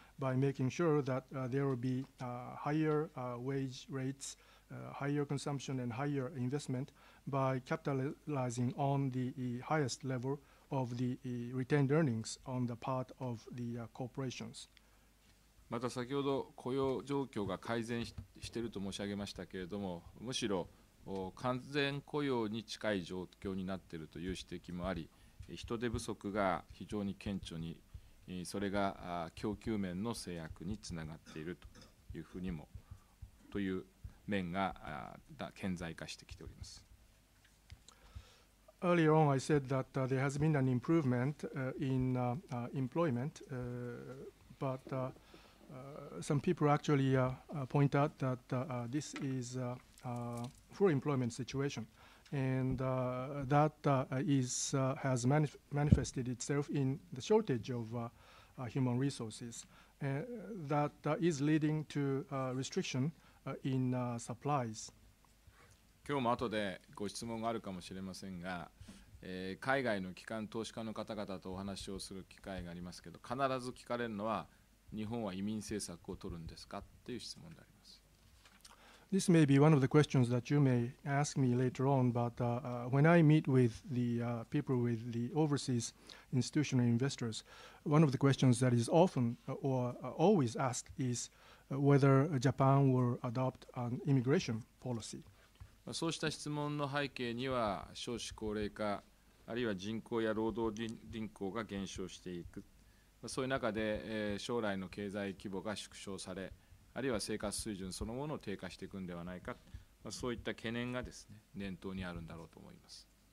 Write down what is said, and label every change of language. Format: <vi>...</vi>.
<en>By making sure that there will be higher wage rates, higher consumption, and higher investment by capitalizing on the highest level of the retained earnings on the part of the corporations.</en> <ja>また先ほど雇用状況が改善していると申し上げましたけれども、むしろ完全雇用に近い状況になっているという指摘もあり、人手不足が非常に顕著に。それが供給面の制約につながっているというふうにもという面が顕在化してきております。</ja> <en>Earlier on, I said that there has been an improvement in employment, but some people actually point out that this is a full employment situation, And that is, has manifested itself in the shortage of human resources that is leading to restriction in supplies.</en> <ja>今日も後でご質問があるかもしれませんが、海外の機関投資家の方々とお話をする機会がありますけど、必ず聞かれるのは、日本は移民政策を取るんですかっていう質問であります。</ja> <en>This may be one of the questions that you may ask me later on, but when I meet with the people with the overseas institutional investors, one of the questions that is often or always asked is whether Japan will adopt an immigration policy.</en> <ja>そうした質問の背景には少子高齢化あるいは人口や労働人口が減少していく、そういう中で将来の経済規模が縮小されあるいは生活水準そのものを低下していくのではないか、そういった懸念がですね、念頭にあるんだろうと思います。</ja>